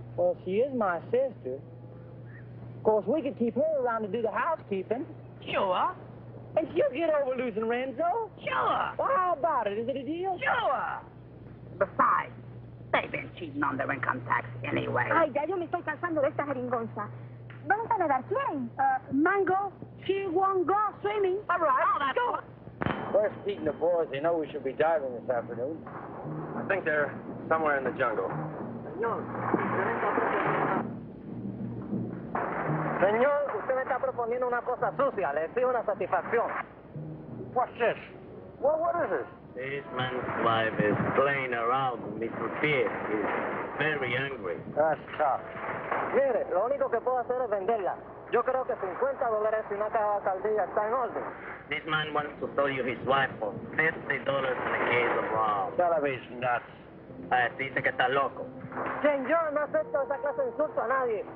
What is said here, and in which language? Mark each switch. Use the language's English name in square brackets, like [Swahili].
[English] Well, she is my sister. Of course, we could keep her around to do the housekeeping. Sure. And she'll get over losing Renzo. Sure. Well, how about it? Is it a deal? Sure. Besides, they've been cheating on their income tax anyway. [Spanish] Ay, ya yo me estoy cansando de esta jeringonza. ¿Vamos a nadar quién? [English] Mango, she won't go swimming. All right, oh, go. First, Pete and the boys, they know we should be diving this afternoon. I think they're somewhere in the jungle. [Spanish] Señor, usted me está proponiendo una cosa sucia. Le pido una satisfacción. [English] What's this? Well, what is this? This man's wife is playing around with Mr. Pierce. He's very angry. That's tough. [Spanish] Mire, lo único que puedo hacer es venderla. Yo creo que $50 y una caja de caldilla está en orden. [English] This man wants to sell you his wife for $50 in a case of rum. That is nuts. [Spanish] Dice que está loco. Señor, no acepto esa clase de insulto a nadie.